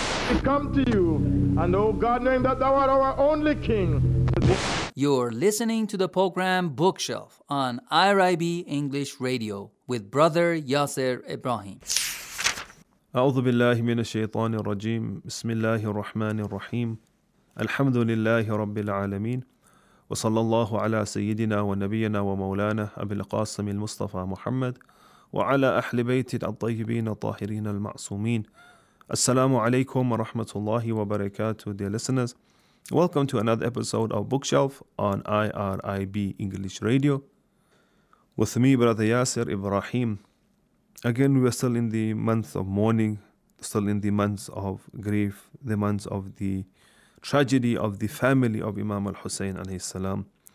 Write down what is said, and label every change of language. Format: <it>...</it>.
<en>We come to you, and O God, knowing that thou art our only King. You're listening to the program Bookshelf on IRIB English Radio with Brother Yasser Ibrahim.</en> <ar>أعوذ بالله من الشيطان الرجيم بسم الله الرحمن الرحيم الحمد لله رب العالمين وصلى الله على سيدنا ونبينا ومولانا أبي القاسم المصطفى محمد وعلى أهل بيت الطيبين الطاهرين المعصومين السلام عليكم ورحمة الله وبركاته</ar> <en>dear listeners. Welcome to another episode of Bookshelf on IRIB English Radio. With me, Brother Yasser Ibrahim. Again, we are still in the month of mourning, still in the month of grief, the month of the tragedy of the family of Imam al-Hussein alayhi salam.</en>